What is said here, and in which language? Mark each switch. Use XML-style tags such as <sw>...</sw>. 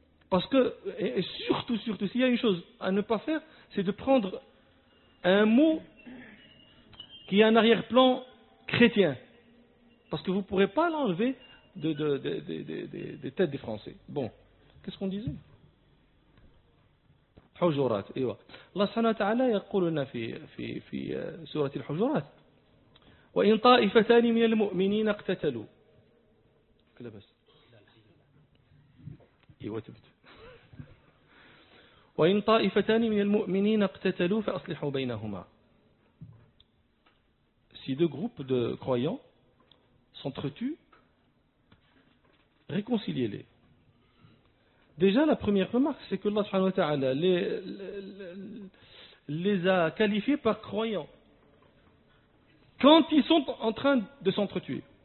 <fr>Parce que, et surtout, s'il y a une chose à ne pas faire, c'est de prendre un mot qui a un arrière-plan chrétien. Parce que vous ne pourrez pas l'enlever de têtes des Français. Bon, qu'est-ce qu'on disait?</fr> <ar>حجرات إيوة. الله سبحانه وتعالى يقول لنا في سورة الحجرات وإن طائفتان من المؤمنين اقتتلوا كلا بس إيوة تبت وإن طائفتان من المؤمنين اقتتلوا فأصلحوا بينهما.</ar> <fr>Si deux groupes de croyants s'entretuent, réconciliez-les. Déjà, la première remarque, c'est que Allah subhanahu wa ta'ala les a qualifiés par croyants quand ils sont en train de s'entretuer.</fr>